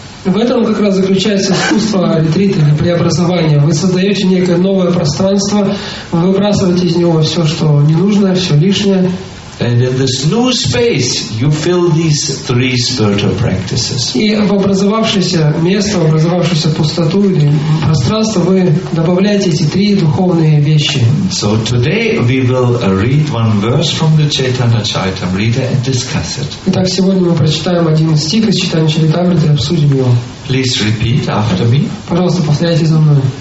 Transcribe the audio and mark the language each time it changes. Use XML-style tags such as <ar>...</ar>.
<ru>В этом как раз заключается искусство ретрита или преобразования. Вы создаете некое новое пространство, вы выбрасываете из него все, что ненужное, все лишнее.</ru> <en>And in this new space, you fill these three spiritual practices.</en> <ru>И в образовавшееся место, в образовавшуюся пустоту или пространство, вы добавляете эти три духовные вещи.</ru> <en>So today we will read one verse from the Chaitanya Charitamrita and discuss it.</en> <ru>Итак, сегодня мы прочитаем один стих из Чайтаньи Чаритамриты и обсудим его.</ru> <en>Please repeat after me.</en> <ru>Пожалуйста, повторяйте за мной.</ru>